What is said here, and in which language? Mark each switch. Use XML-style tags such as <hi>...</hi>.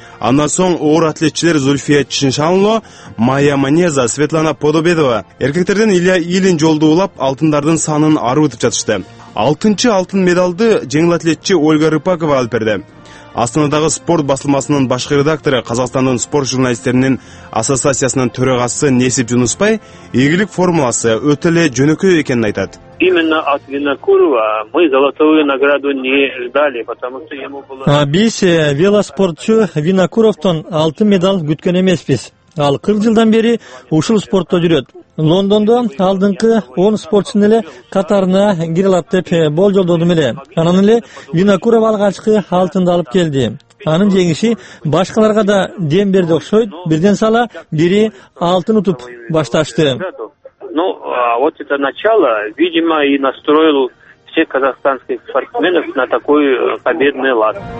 <ky>Андан соң оор атлетчилер Зульфия Чиншанло, Майя Манеза, Светлана Подобедова эркектерден Илья Илин жолду улап, алтындардын санын арытып жатышты. 6-чы алтын медалды жеңил атлетчи Ольга Рыпакова алып берди. Астанадагы спорт басылмасынын башкы редактору, Казакстандын спорт журналисттеринин ассоциациясынын төрагасы Несип Жунуспай ийгилик формуласы өтө эле жөнөкөй экенин айтат.</ky> <ru>Именно от Винокурова мы золотую награду не ждали, потому что ему было...</ru> <ky>Биз велоспортчу Винокуровтон алтын медаль күткөн эмеспиз. Ал 40 жылдан бери ушул спортто жүрөт. Лондондо алдыңкы 10 спортчунун эле катарына кире алат деп болжолдодум эле. Анан эле Винокуров алгачкы алтынды алып келди. Анын жеңиши башкаларга да дем берди окшойт. Бирден сала бири алтын утуп башташты.</ky> <ru>Ну, вот это начало, видимо, и настроил всех казахстанских спортсменов на такой победный лад.</ru>